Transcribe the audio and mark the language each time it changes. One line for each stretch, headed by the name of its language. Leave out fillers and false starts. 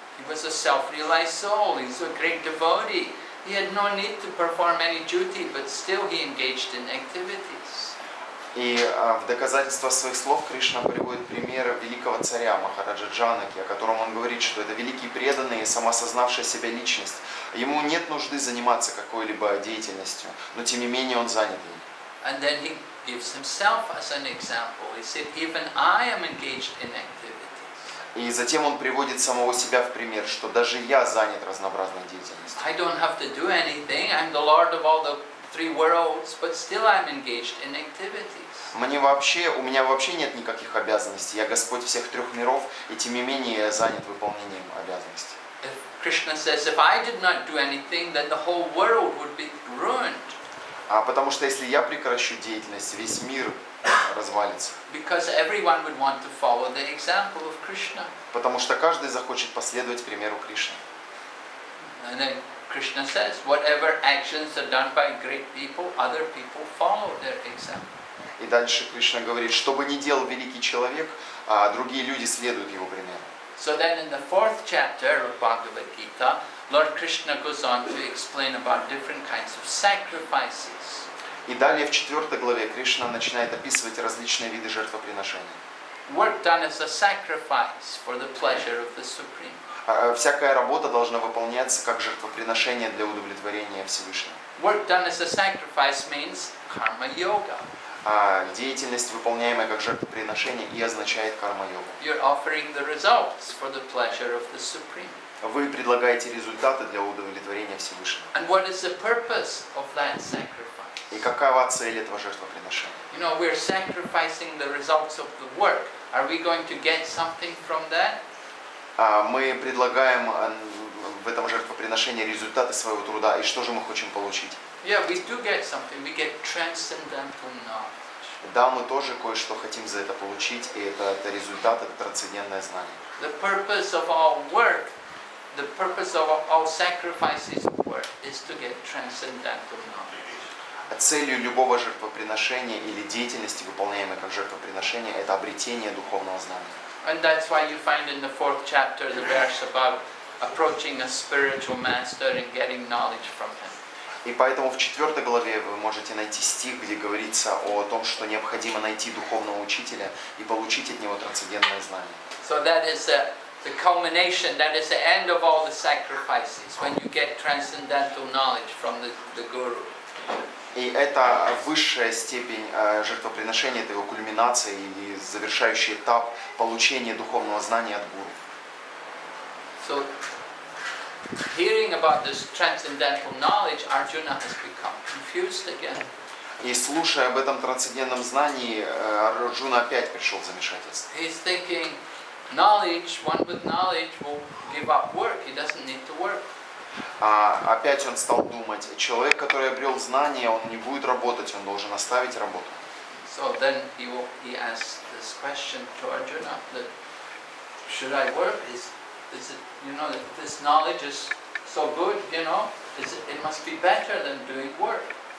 English: He was a self-realized soul. He's a great devotee. He had no need to perform any duty, but still he engaged in activities.
Russian: И в доказательство своих слов Кришна приводит примеры великого царя Махараджа Джанаки, о котором он говорит, что это великий преданный и самосознавшая себя личность. Ему нет нужды заниматься какой-либо деятельностью, но тем не менее он занят ей.
English: And then he gives himself as an example. He said, even I am engaged in activities.
Russian: И затем он приводит самого себя в пример, что даже я занят разнообразной деятельностью.
English: I don't have to do anything. I'm the lord of all the three worlds, but still I'm engaged in activities.
Russian: У меня вообще нет никаких обязанностей. Я Господь всех трех миров, и тем не менее я занят выполнением обязанностей.
English: If Krishna says, if I did not do anything, then the whole world would be ruined.
Russian: А потому что если я прекращу деятельность, весь мир развалится.
English: Because everyone would want to follow the example of Krishna.
Russian: Потому что каждый захочет последовать примеру Кришны.
English: Krishna says, whatever actions are done by great people, other people follow their example.
Russian: И дальше Кришна говорит, что бы ни делал великий человек, другие люди следуют его примеру.
English: So then in the fourth chapter of Bhagavad Gita, Lord Krishna goes on to explain about different kinds of sacrifices.
Russian: И далее в четвертой главе Кришна начинает описывать различные виды жертвоприношений.
English: Work done as a sacrifice for the pleasure of the Supreme.
Russian: Всякая работа должна выполняться как жертвоприношение для удовлетворения Всевышнего.
English: Work done as a sacrifice means karma yoga.
Russian: Деятельность, выполняемая как жертвоприношение, и означает карма-йога.
English: You're offering the results for the pleasure of the Supreme.
Russian: Вы предлагаете результаты для удовлетворения Всевышнего.
English: And what is the purpose of that sacrifice?
Russian: И какова цель этого жертвоприношения?
English: You know, we're sacrificing the results of the work. Are we going to get something from that?
Russian: Мы предлагаем в этом жертвоприношении результаты своего труда, и что же мы хотим получить?
English: Yeah, we do get something. We get transcendental knowledge.
Russian: Да, мы тоже кое-что хотим за это получить, и это результат, это трансцендентное знание.
English: The purpose of our work, the purpose of our sacrifices of work is to get transcendental knowledge.
Russian: А целью любого жертвоприношения или деятельности, выполняемой как жертвоприношение, это обретение духовного знания.
English: And that's why you find in the fourth chapter the verse about approaching a spiritual master and getting knowledge from him.
Russian: И поэтому в четвертой главе вы можете найти стих, где говорится о том, что необходимо найти духовного учителя и получить от него трансцендентное знание.
English: So that is the culmination, that is the end of all the sacrifices, when you get transcendental knowledge from the guru.
Russian: И это высшая степень жертвоприношения, это его кульминация или завершающий этап получения духовного знания от гуру.
English: So, hearing about this transcendental knowledge, Arjuna has become confused again.
Russian: И слушая об этом трансцендентном знании, Арджуна опять пришел в замешательство.
English: He's thinking, knowledge, one with knowledge will give up work. He doesn't need to work.
Russian: Опять он стал думать, человек, который обрел знания, он не будет работать, он должен оставить работу.
English: So then he asked this question to Arjuna, that should I work? Is it, you know, this knowledge is so good, you know, it must be better than doing work.